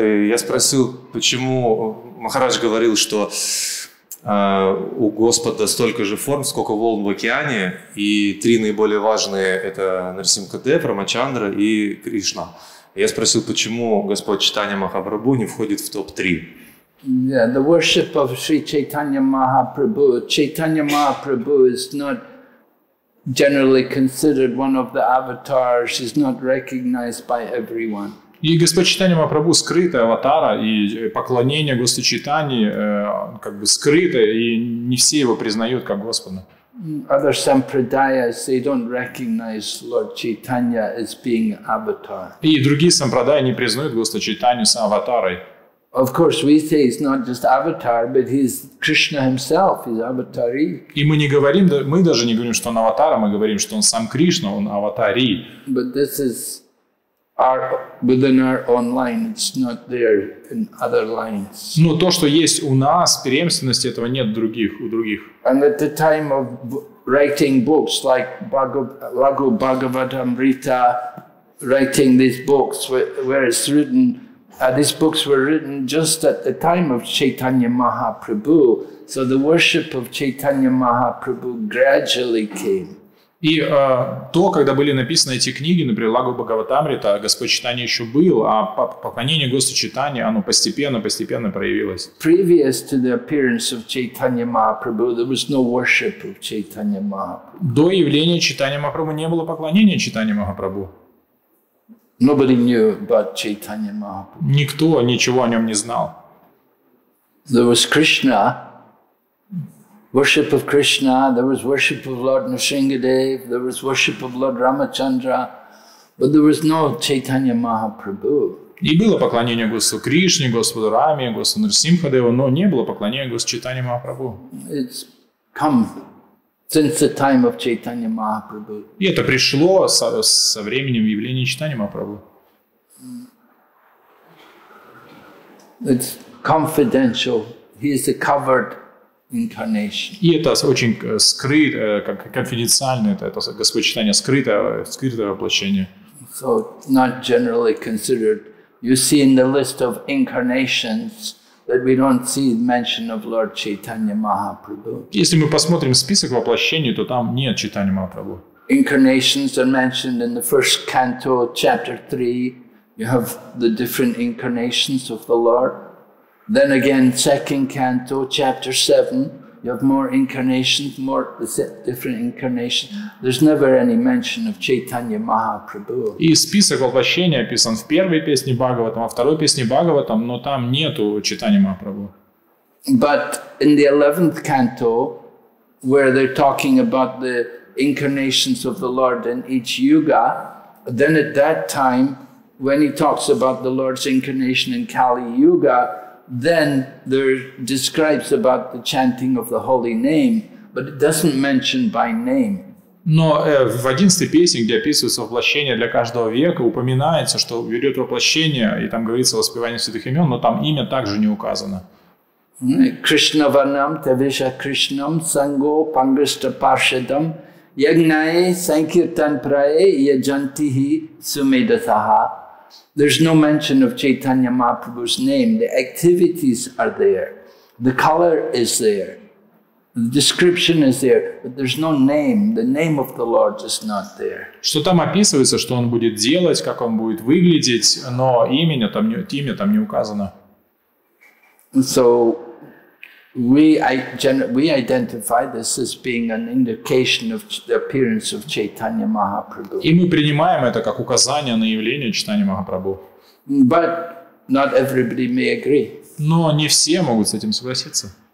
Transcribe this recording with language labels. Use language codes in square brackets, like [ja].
[ru] Я спросил, почему Махарадж говорил, что у Господа столько же форм, сколько волн в океане, и три наиболее важные – это Нрсимха Дев, Рамачандра и Кришна. Я спросил, почему Господь Чайтанья Махапрабху не входит в топ-3? [en] Yeah, the worship of Sri Chaitanya Mahaprabhu. Chaitanya Mahaprabhu is not generally considered one of the avatars, is not recognized by everyone. [ru] И Господь Чайтанья Махапрабху скрытый аватар, и поклонение Господу Чайтаньи как бы скрыто, и не все его признают как Господа. [en] Other sampradayas, they don't recognize Lord Chaitanya as being avatar. [ru] И другие сампрадаи не признают Господа Чайтанью сам аватарой. [en] Of course, we say he's not just avatar, but he's Krishna himself, he's avatari. [ru] И мы не говорим, мы даже не говорим, что он аватар, мы говорим, что он сам Кришна, он аватари. [en] But this is our, within our own line, it's not there in other lines. [ru] Но то, что есть у нас, преемственности этого нет у других. [en] And at the time of writing books like Bhagavatamrita, writing these books where it's written, these books were written just at the time of Chaitanya Mahaprabhu, so the worship of Chaitanya Mahaprabhu gradually came. [ru] И то, когда были написаны эти книги, например, Лагу Бхагаватамрита, Господь Чайтанья еще был, а поклонение Господу Чайтанье, оно постепенно проявилось. [en] Previous to the appearance of Chaitanya Mahaprabhu, there was no worship of Chaitanya Mahaprabhu. [ru] До явления Чайтанья Махапрабху не было поклонения Чайтанье Махапрабху. [en] Nobody knew about Chaitanya Mahaprabhu. [ru] Никто ничего о нем не знал. [en] There was Krishna, worship of Krishna. There was worship of Lord Nrsimhadev. There was worship of Lord Ramachandra, but there was no Chaitanya Mahaprabhu. [ru] И было поклонение Господу Кришне, Господу Раме, Господу Нрсимхадеву, но не было поклонения Господу Чайтанья Махапрабху. [en] It's come since the time of Chaitanya Mahaprabhu. [ru] И это пришло со временем явления Чайтанья Махапрабху. [en] It's confidential. He is a covered incarnation. [ru] И это очень конфиденциально. Это Господь Чайтанья скрытое воплощение. [en] So not generally considered. You see in the list of incarnations that we don't see mention of Lord Chaitanya Mahaprabhu. [ru] Если мы посмотрим список воплощений, то там нет Чайтанья Махапрабху. [en] Incarnations are mentioned in the first canto, chapter 3. You have the different incarnations of the Lord. Then again, second canto, chapter 7. You have more incarnations, more different incarnations. There's never any mention of Chaitanya Mahaprabhu. [ru] И список воплощений описан в первой песне Бхагаватам, во второй песне Бхагаватам, но там нету Чайтанья Махапрабху. [en] But in the 11th canto, where they're talking about the incarnations of the Lord in each yuga, then at that time, when he talks about the Lord's incarnation in Kali Yuga, then there describes about the chanting of the holy name, but it doesn't mention by name. [ru] Но в 11-й песне, где описывается воплощение для каждого века, упоминается, что берет воплощение, и там говорится о воспевании святых имен, но там имя также не указано. [sa] Кришна ванам тавиша кришнам санго пангришта паршадам ягнае санкиртан прае яджантихи сумедатаха. [en] There's no mention of Chaitanya Mahaprabhu's name. The activities are there. The color is there. The description is there, but there's no name. The name of the Lord is not there. [ru] Что там описывается, что он будет делать, как он будет выглядеть, но имя там не указано. [en] So we identify this as being an indication of the appearance of Chaitanya Mahaprabhu. [ru] И мы принимаем это как указание на явление Чайтаньи Махапрабху. [en] But not everybody may agree. [ru] Но не все могут с этим согласиться.